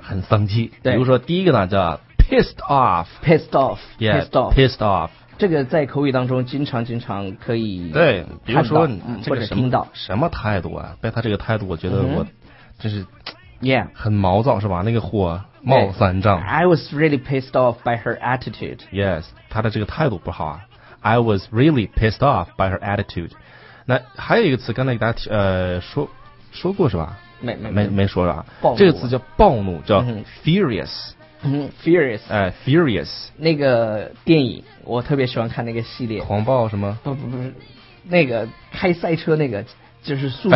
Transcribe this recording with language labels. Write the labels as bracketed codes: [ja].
[zh] 很生气。对，比如说第一个呢叫 [en] pissed off。 pissed off。 yeah, pissed off, pissed off。 [zh] 这个在口语当中经常可以看到。对，比如说你这个什么听到什么态度啊，被他这个态度我觉得我真是很毛躁、 mm-hmm. 是吧，那个火冒三丈。 [en] I was really pissed off by her attitude. [zh] Yes, 他的这个态度不好啊。 [en] I was really pissed off by her attitude. [zh] 那还有一个词刚才给大家说过是吧，没说了、啊、这个词叫暴怒，叫 furious、 [en] mm-hmm. Furious, Furious, [zh] 那个电影我特别喜欢看，那个系列狂暴什么，不是那个开赛车，那个就是速度